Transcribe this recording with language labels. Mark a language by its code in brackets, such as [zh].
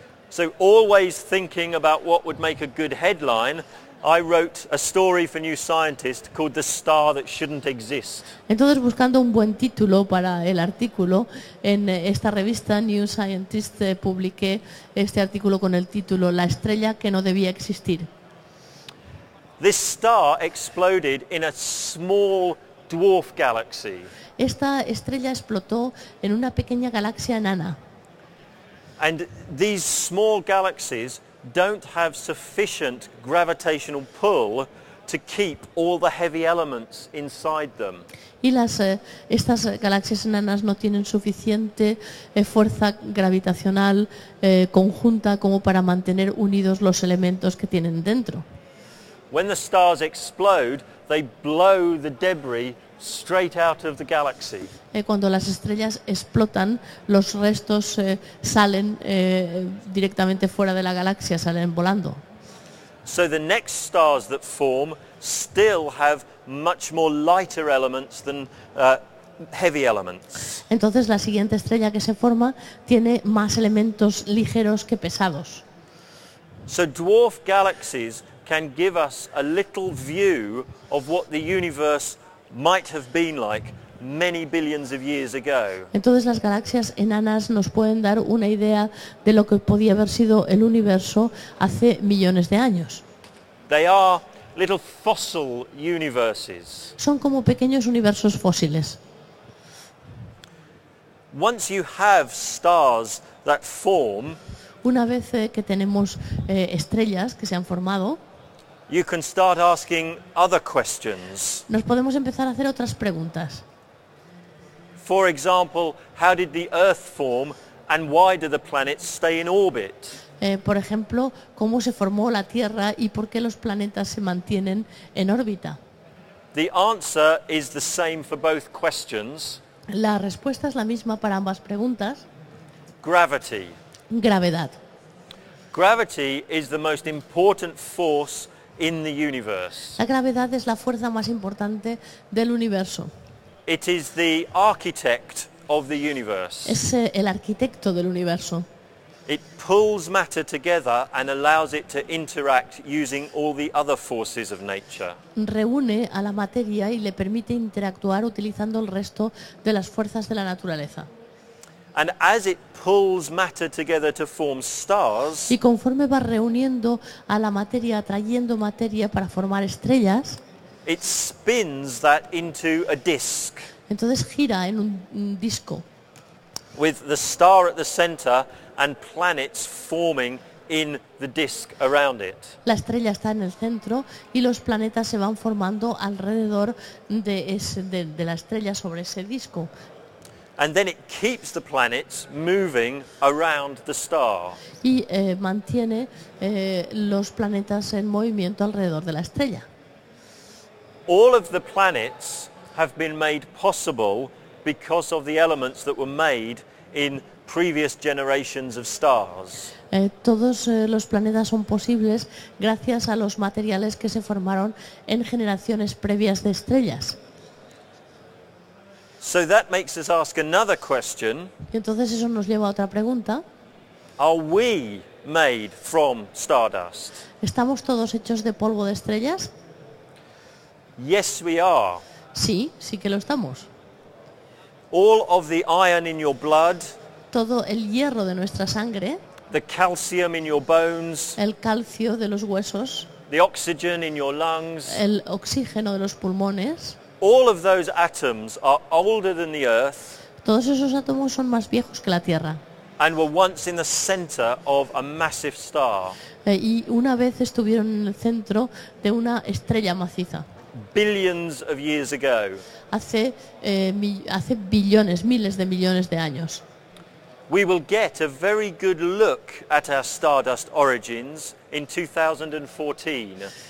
[en] So always thinking about what would make a good headline, I wrote a story for New Scientist called The Star That Shouldn't Exist. [es] Entonces, buscando un buen título para el artículo, en esta revista New Scientist publiqué este artículo con el título La estrella que no debía existir. [en] This star exploded in a small dwarf galaxy. [es] Esta estrella explotó en una pequeña galaxia enana. [en] And these small galaxies don't have sufficient gravitational pull to keep all the heavy elements inside them. [es] Y las estas galaxias enanas no tienen suficiente fuerza gravitacional conjunta como para mantener unidos los elementos que tienen dentro. [en] When the stars explode, they blow the debris straight out of the galaxy. [es] Cuando las estrellas explotan, los restos salen directamente fuera de la galaxia, salen volando. [en] So the next stars that form still have much more lighter elements than heavy elements. [es] Entonces la siguiente estrella que se forma tiene más elementos ligeros que pesados. [en] So dwarf galaxies can give us a little view of what the universe might have been like many billions of years ago. [es] Entonces las galaxias enanas nos pueden dar una idea de lo que podía haber sido el universo hace millones de años. [en] They are little fossil universes. [es] Son como pequeños universos fósiles. [en] Once you have stars that form, [es] una vez que tenemos estrellas que se han formado, [en] you can start asking other questions. [es] Nos podemos empezar a hacer otras preguntas. [en] For example, how did the Earth form and why do the planets stay in orbit? [es] Por ejemplo, ¿cómo se formó la Tierra y por qué los planetas se mantienen en órbita? [en] The answer is the same for both questions. [es] La respuesta es la misma para ambas preguntas. [en] Gravity. [es] Gravedad. [en] Gravity is the most important force in the universe. [es] La gravedad es la fuerza más importante del universo. [en] It is the architect of the universe. [es] Es el arquitecto del universo. [en] It pulls matter together and allows it to interact using all the other forces of nature. [es] Reúne a la materia y le permite interactuar utilizando el resto de las fuerzas de la naturaleza. [en] And as it pulls matter together to form stars, [es] y conforme va reuniendo a la materia, atrayendo materia para formar estrellas, [en] it spins that into a disc. [es] Entonces gira en un disco. [en] With the star at the center and planets forming in the disc around it. [es] La estrella está en el centro y los planetas se van formando alrededor de ese, de la estrella sobre ese disco. [en] And then it keeps the planets moving around the star. [es] Y mantiene los planetas en movimiento alrededor de la estrella. [en] All of the planets have been made possible because of the elements that were made in previous generations of stars. [es] Todos los planetas son posibles gracias a los materiales que se formaron en generaciones previas de estrellas. [en] So that makes us ask another question. [es] Y entonces eso nos lleva a otra pregunta. [en] Are we made from stardust? [es] ¿Estamos todos hechos de polvo de estrellas? [en] Yes, we are. [es] Sí, sí que lo estamos. [en] All of the iron in your blood, [es] todo el hierro de nuestra sangre, [en] the calcium in your bones, [es] el calcio de los huesos, [en] the oxygen in your lungs, [es] el oxígeno de los pulmones, [en] all of those atoms are older than the earth, [es] todos esos átomos son más viejos que la Tierra, [en] and were once in the center of a massive star, [es] y una vez estuvieron en el centro de una estrella maciza. [en] Billions of years ago. [es] Hace billones, miles de millones de años. [en] We will get a very good look at our stardust origins in 2014.